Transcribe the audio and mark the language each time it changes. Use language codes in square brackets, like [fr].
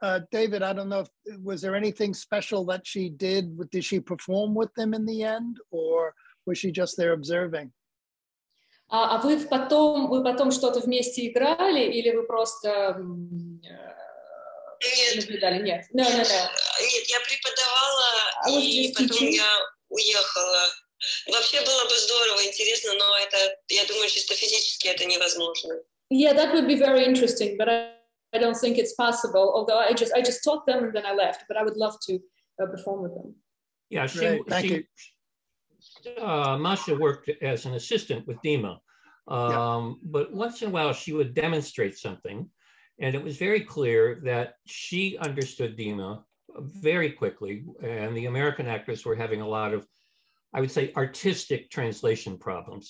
[en] David, I don't know, was there anything special that she did? Did she perform with them in the end? Or was she just there observing? [ru] А вы потом что-то вместе играли или вы просто наблюдали? Нет. Нет, я преподавала, и потом я уехала. Вообще было бы здорово, интересно, но это, я думаю, чисто физически это невозможно. [en] Yeah, that would be very interesting, but I don't think it's possible. Although I just taught them and then I left, but I would love to perform with them. Yeah, sure. Thank you. Masha worked as an assistant with Dima, but once in a while she would demonstrate something, and it was very clear that she understood Dima very quickly, and the American actors were having a lot of, I would say, artistic translation problems.